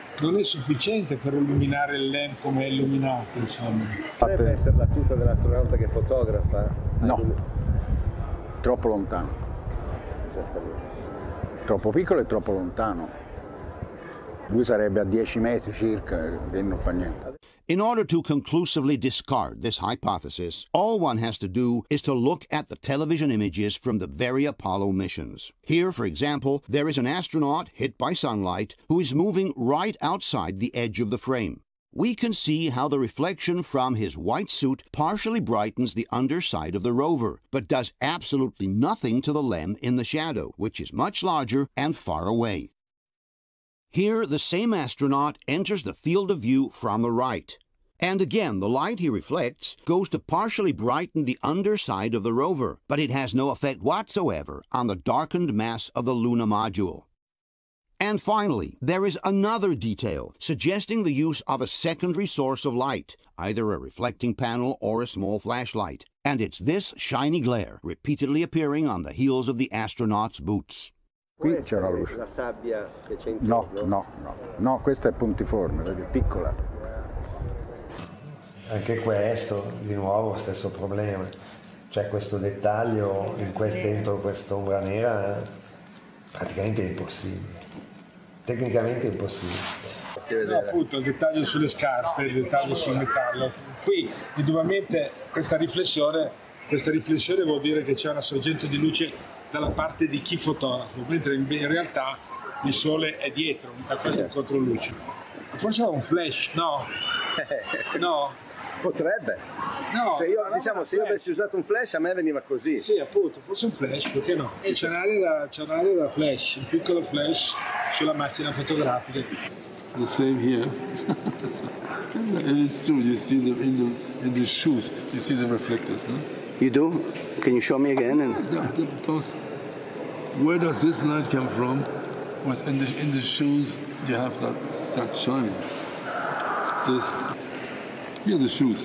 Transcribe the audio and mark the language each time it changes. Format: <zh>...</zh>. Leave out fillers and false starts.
<it>Non è sufficiente per illuminare il LEM come è illuminato, insomma. Potrebbe essere la tuta dell'astronauta che fotografa? No, troppo lontano. Esattamente. Troppo piccolo e troppo lontano. Lui sarebbe a 10 metri circa e non fa niente.</it> <en>In order to conclusively discard this hypothesis, all one has to do is to look at the television images from the very Apollo missions. Here, for example, there is an astronaut hit by sunlight who is moving right outside the edge of the frame. We can see how the reflection from his white suit partially brightens the underside of the rover, but does absolutely nothing to the LEM in the shadow, which is much larger and far away. Here, the same astronaut enters the field of view from the right. And again, the light he reflects goes to partially brighten the underside of the rover, but it has no effect whatsoever on the darkened mass of the lunar module. And finally, there is another detail suggesting the use of a secondary source of light, either a reflecting panel or a small flashlight, and it's this shiny glare repeatedly appearing on the heels of the astronaut's boots.</en> <it>Qui c'è una luce. La sabbia che c'è intorno. No, no, no. No, questa è puntiforme, perché è piccola. Anche questo, di nuovo, stesso problema. Cioè questo dettaglio dentro quest'ombra nera praticamente è impossibile. Tecnicamente è impossibile. No, appunto, il dettaglio sulle scarpe, il dettaglio sul metallo. Qui, indubbiamente, questa riflessione vuol dire che c'è una sorgente di luce dalla parte di chi fotografa, mentre in realtà il sole è dietro, da questo controluce. Forse è un flash, no? No? Potrebbe. No, se io, diciamo, se io avessi usato un flash, a me veniva così. Sì, appunto, forse un flash, perché no? E c'è un'area da flash, un piccolo flash sulla macchina fotografica.</it> <en>The same here. And it's true, you see them in the shoes, you see the reflectors, no? You do? Can you show me again? Where does this light come from? In the shoes, you have that shine. This Yeah, the shoes.</en>